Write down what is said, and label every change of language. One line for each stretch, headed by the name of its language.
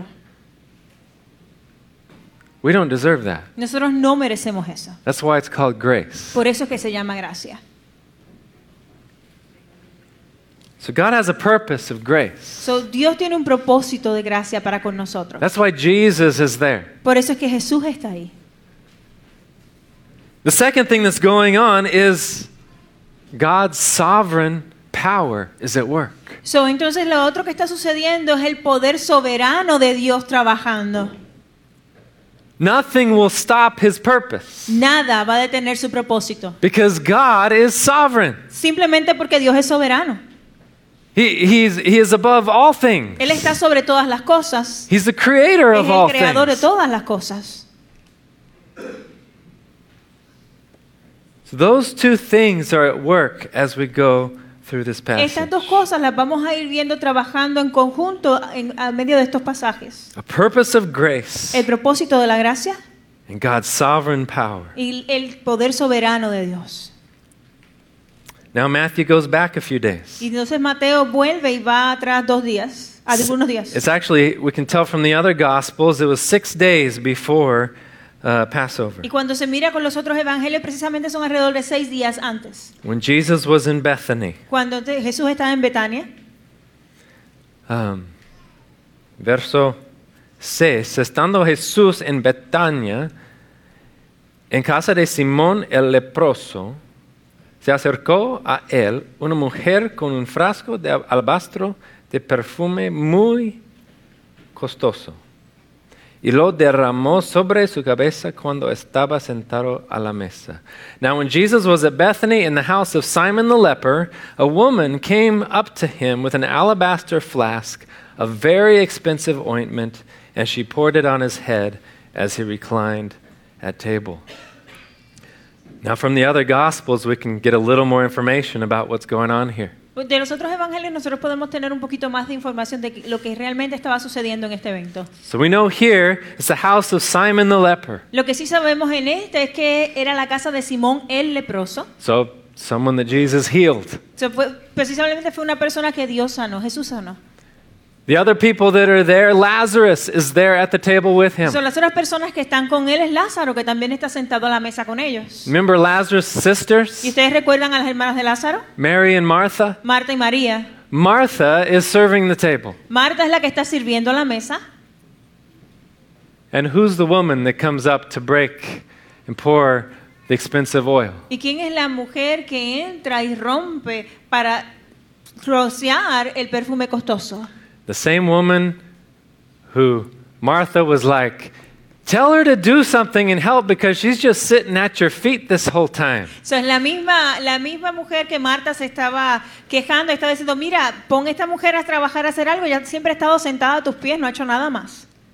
English: Right. We don't deserve that.
Spanish: Nosotros no merecemos eso.
English: That's why it's called grace.
Spanish: Por eso es que se llama gracia.
English: So God has a purpose of grace.
Spanish: So Dios tiene un propósito de gracia para con nosotros.
English: That's why Jesus is there.
Spanish: Por eso es que Jesús está ahí.
English: The second thing that's going on is God's sovereign power is at work.
Spanish: So entonces lo otro que está sucediendo es el poder soberano de Dios trabajando.
English: Nothing will stop his purpose.
Spanish: Nada va a detener su propósito.
English: Because God is sovereign.
Spanish: Simplemente porque Dios es soberano.
English: He is above all things.
Spanish: Él está sobre todas las cosas.
English: He's the creator of all things.
Spanish: Es el creador de todas las cosas.
English: So those two things are at work as we go through this passage.
Spanish: Estas dos cosas las vamos a ir viendo trabajando en conjunto en a medio de estos pasajes.
English: A purpose of grace.
Spanish: El propósito de la gracia.
English: And God's sovereign power.
Spanish: Y el poder soberano de Dios.
English: Now Matthew goes back a few days.
Spanish: Y entonces Mateo vuelve y va atrás dos días, algunos días.
English: It's actually, we can tell from the other Gospels, it was 6 days before Passover.
Spanish: Y cuando se mira con los otros evangelios, precisamente son alrededor de 6 días antes.
English: When Jesus was in Bethany.
Spanish: Cuando Jesús estaba en Betania. Verso 6. Estando Jesús en Betania, en casa de Simón el leproso, se acercó a él una mujer con un frasco de alabastro de perfume muy costoso y lo derramó sobre su cabeza cuando estaba sentado a la mesa.
English: Now when Jesus was at Bethany in the house of Simon the leper, a woman came up to him with an alabaster flask of very expensive ointment and she poured it on his head as he reclined at table. Now from the other gospels we can get a little more information about what's going on here.
Spanish: De los otros evangelios nosotros podemos tener un poquito más de información de lo que realmente estaba sucediendo en este evento.
English: So we know here it's the house of Simon the leper.
Spanish: Lo que sí sabemos en este es que era la casa de Simón el leproso.
English: So someone that Jesus healed.
Spanish: So precisamente fue una persona que Dios sanó, Jesús sanó.
English: The other people that are there, Lazarus is there at the table with him.
Spanish: Son las otras personas que están con él es Lázaro que también está sentado a la mesa con ellos.
English: Remember Lazarus' sisters?
Spanish: ¿Y ustedes recuerdan a las hermanas de Lázaro?
English: Mary and Martha.
Spanish: Marta y María.
English: Martha is serving the table.
Spanish: Marta es la que está sirviendo a la mesa.
English: And who's the woman that comes up to break and pour the expensive oil.
Spanish: ¿Y quién es la mujer que entra y rompe para rociar el perfume costoso?
English: The same woman who Martha was like, tell her to do something and help because she's just sitting at your feet this whole time.
Spanish: So es la misma mujer que Marta se estaba quejando, estaba diciendo, mira, pon esta mujer a trabajar, a hacer algo, ya siempre ha estado sentada a tus pies, no ha hecho nada más.